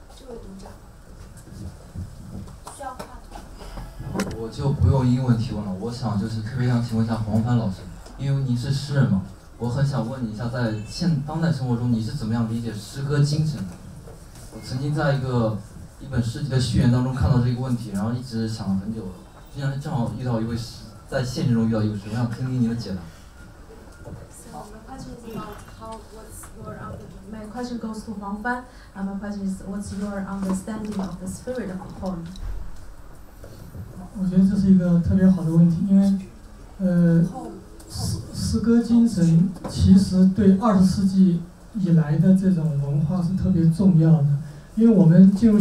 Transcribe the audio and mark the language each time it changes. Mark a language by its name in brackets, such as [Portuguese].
[Chinese] 这位读者需要话筒。我就不用英文提问了。我想就是特别想请问一下黄帆老师，因为您是诗人嘛，我很想问你一下，在当代生活中，你是怎么样理解诗歌精神的？我曾经在一个 一本诗集的序言当中看到这个问题，然后一直想了很久，竟然正好遇到一位在现实中遇到一位诗人，我想听听您的解答。 [English] So my question is my question goes to Huang Fan, and my question is, what's your understanding of the spirit of poem? [Chinese] 我觉得这是一个特别好的问题，因为诗歌精神其实对20世纪以来的这种文化是特别重要的。